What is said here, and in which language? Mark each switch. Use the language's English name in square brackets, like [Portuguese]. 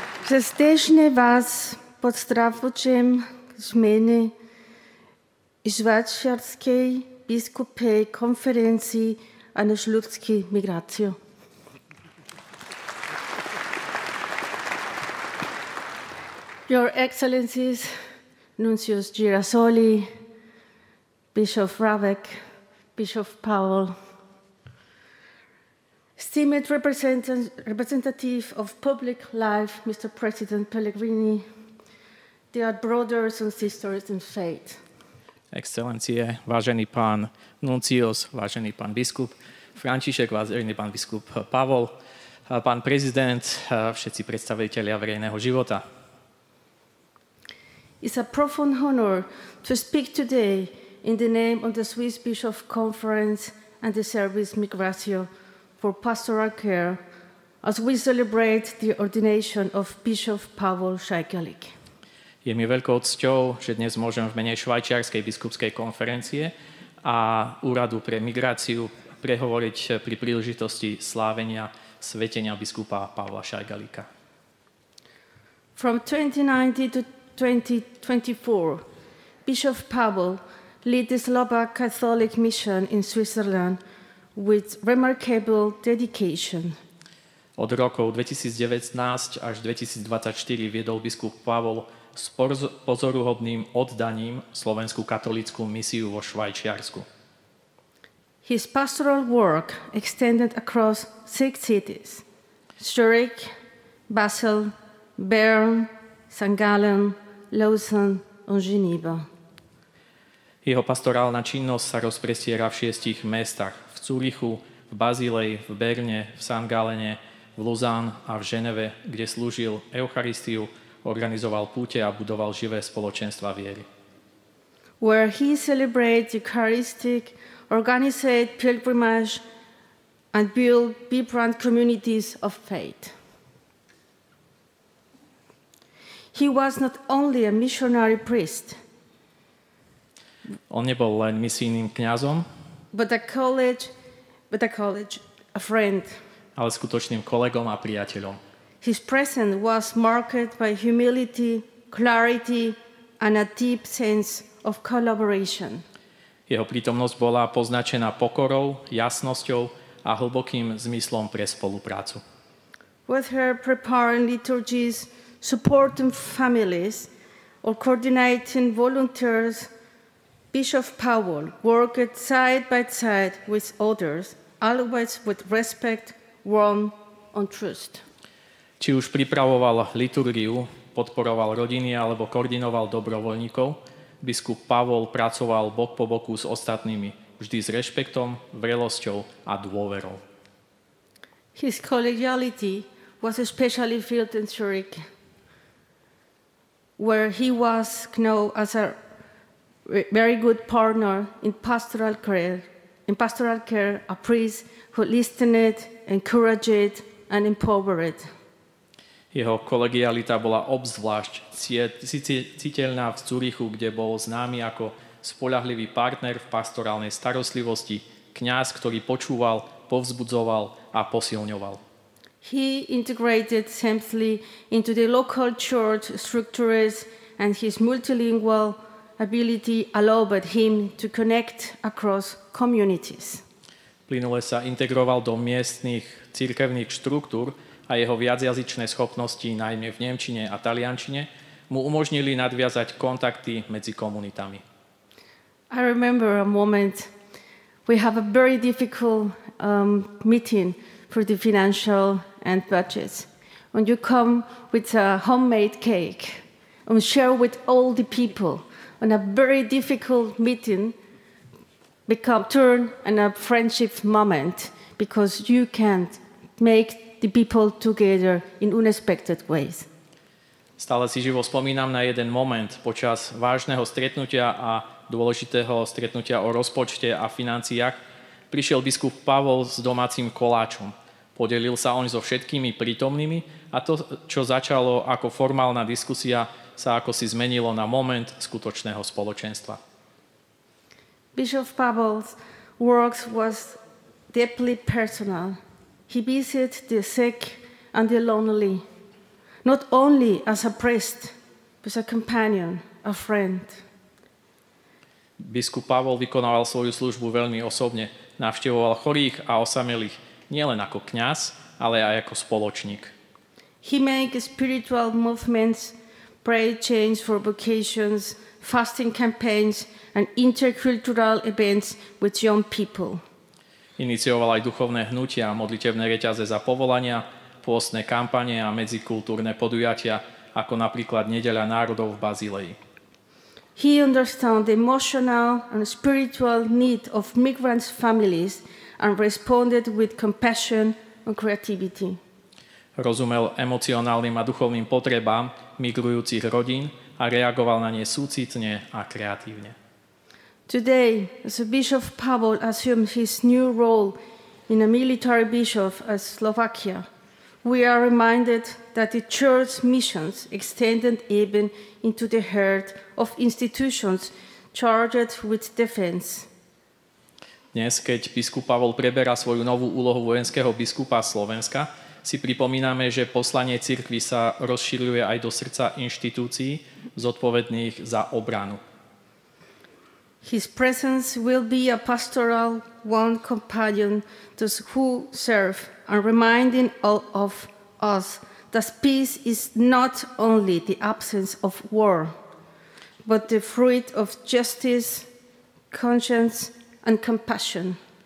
[Slovak] Srdečne vás pozdravujem z mene Švajčiarskej biskupskej konferencii a na šľubskej migráciu. [English] Your Excellencies, Nuncius Girasoli, Bishop Ravek, Bishop Powell, esteemed representative of public life, Mr. President Pellegrini, dear brothers and sisters in faith. [Slovak] Excelencie, vážený pán Nuncios, vážený pán biskup František, vážený pán biskup Powell, pán prezident, všetci predstavitelia verejného života. [English] It's a profound honor to speak today in the name of the Swiss Bishop Conference and the Service Migratio for Pastoral Care, as we celebrate the ordination of Bishop Pavol Šajkalik. [Slovak] Je mi veľkou cťou, že dnes môžem v mene Švajčiarskej biskupskej konferencie a Úradu pre migráciu prehovoriť pri príležitosti slávenia svetenia biskupa Pavla Šajkalika. [English] From 2019 to 2024, Bishop Pavol lead the Slovak Catholic mission in Switzerland with remarkable dedication. [Slovak] Od rokov 2019 až 2024 viedol biskup Pavol s pozoruhodným oddaním slovenskú katolickú misiu vo Švajčiarsku. [English] His pastoral work extended across 6 cities: Zurich, Basel, Bern, St. Gallen, Lausanne and Geneva. [Slovak] Jeho pastorálna činnosť sa rozprestiera v 6 mestách: v Curychu, v Bazilei, v Berne, v St. Gallene, v Lausanne a v Ženeve, kde slúžil Eucharistiu, organizoval púte a budoval živé spoločenstva viery. [English] Where he celebrated Eucharistic, organized pilgrimage and built vibrant communities of faith. He was not only a missionary priest. [Slovak] On nebol len misijným kňazom, [English] but a friend. [Slovak] Ale skutočným kolegom a priateľom. [English] His presence was marked by humility, clarity and a deep sense of collaboration. [Slovak] Jeho prítomnosť bola poznačená pokorou, jasnosťou a hlbokým zmyslom pre spoluprácu. [English] With her preparing liturgies, supporting families or coordinating volunteers Bishop Powell worked side by side with others, always with respect, warmth and trust. [Slovak] Či už pripravoval liturgiu, podporoval rodiny alebo koordinoval dobrovoľníkov, biskup Pavol pracoval bok po boku s ostatnými, vždy s rešpektom, vrelosťou a dôverou. [English] His collegiality was especially felt in Zurich, where he was known as a very good partner in pastoral care, a priest who listened, encouraged and empowered. [Slovak] Jeho kolegialita bola obzvlášť citeľná v Zurichu, kde bol známy ako spoľahlivý partner v pastorálnej starostlivosti, kňaz, ktorý počúval, povzbudzoval a posilňoval. [English] He integrated seamlessly into the local church structures and his multilingual ability allowed him to connect across communities. [Slovak] Plynule sa integroval do miestnych cirkevných štruktúr a jeho viacjazyčné schopnosti, najmä v nemčine a taliančine, mu umožnili nadviazať kontakty medzi komunitami. [English] I remember a moment. We have a very difficult meeting for the financial and budgets. When you come with a homemade cake and share with all the people on a very difficult meeting, become turn and a friendship moment because you can't make the people together in unexpected ways. [Slovak] Stále si živo spomínam na jeden moment počas vážneho stretnutia a dôležitého stretnutia o rozpočte a financiách. Prišiel biskup Pavol s domácim koláčom. Podelil sa on so všetkými prítomnými a to, čo začalo ako formálna diskusia, sa akosi zmenilo na moment skutočného spoločenstva. [English] Bishop Pavel's work was deeply personal. He visited the sick and the lonely, not only as a priest, but as a companion, a friend. [Slovak] Biskup Pavol vykonával svoju službu veľmi osobne. Navštevoval chorých a osamelých nielen ako kňaz, ale aj ako spoločník. [English] He made spiritual movements, prayer chains for vocations, fasting campaigns and intercultural events with young people. [Slovak] Inicioval aj duchovné hnutia, modlitevné reťaze za povolania, pôstne kampane a medzikultúrne podujatia, ako napríklad Nedeľa národov v Bazileji. [English] He understands the emotional and spiritual need of migrants' families and responded with compassion and creativity. [Slovak] Rozumel emocionálnym a duchovným potrebám migrujúcich rodín a reagoval na ne súcitne a kreatívne. [English] Today, as Bishop Pavol assumes his new role in a military bishop of Slovakia, we are reminded that the church's missions extended even into the heart of institutions charged with defense. [Slovak] Dnes, keď biskup Pavol preberá svoju novú úlohu vojenského biskupa Slovenska, si pripomíname, že poslanie cirkvi sa rozšíruje aj do srdca inštitúcií zodpovedných za obranu. [English] His presence will be a pastoral one companion to who serve and reminding all of us that peace is not only the absence of war, but the fruit of justice, conscience and compassion.